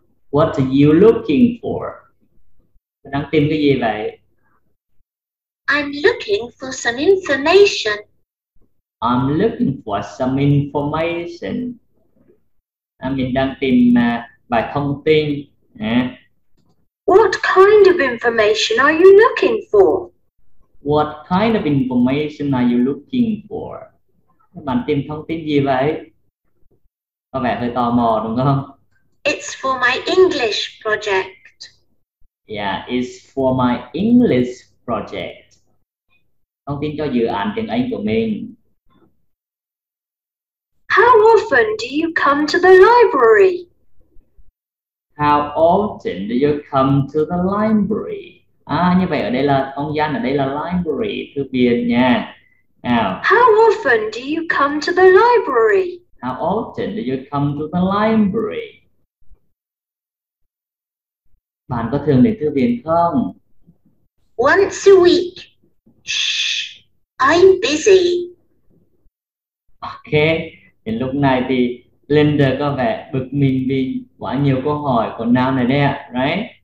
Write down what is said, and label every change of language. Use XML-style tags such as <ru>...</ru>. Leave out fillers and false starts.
<en>What are you looking for?</en> <vi>Đang tìm cái gì vậy?</vi> <en>I'm looking for some information. I'm looking for some information.</en> <vi>Mình đang tìm bài thông tin.</vi> <en>What kind of information are you looking for? What kind of information are you looking for?</en> <vi>Bạn tìm thông tin gì vậy? Có vẻ hơi tò mò đúng không?</vi> <en>It's for my English project. Yeah, it's for my English project.</en> <vi>Thông tin cho dự án tiếng Anh của mình.</vi> <en>How often do you come to the library? How often do you come to the library?</en> <vi>À, như vậy ở đây là không gian, ở đây là library, thư viện nha.</vi> <en>Now, how often do you come to the library? How often do you come to the library?</en> <vi>Bạn có thường đến thư viện không?</vi> <en>Once a week. Shh, I'm busy.</en> <vi>Ok, đến lúc này thì Linda có vẻ bực mình vì quá nhiều câu hỏi của Nam này nè, right?</vi>